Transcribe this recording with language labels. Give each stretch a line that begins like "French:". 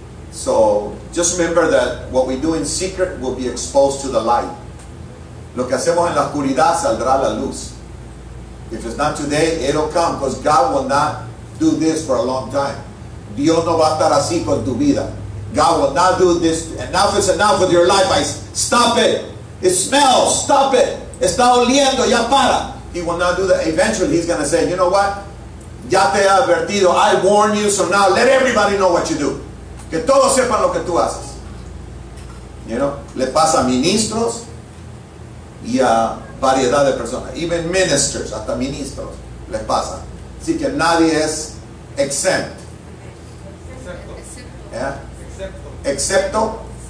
English: So, just remember that what we do in secret will be exposed to the light.
Spanish: Lo que hacemos en la oscuridad saldrá a la luz.
English: If it's not today, it'll come because God will not do this for a long time.
Spanish: Dios no va a estar así con tu vida.
English: God will not do this. Enough is enough with your life. I stop it. It smells. Stop it.
Spanish: Está oliendo. Ya para.
English: He will not do that. Eventually, he's going to say, you know what?
Spanish: Ya te he advertido.
English: I warn you. So now, let everybody know what you do.
Spanish: Que todos sepan lo que tú haces.
English: You know?
Spanish: Le pasa a ministros y a variedad de personas.
English: Even ministers.
Spanish: Hasta ministros. Les pasa. Así que nadie es exempt. Excepto.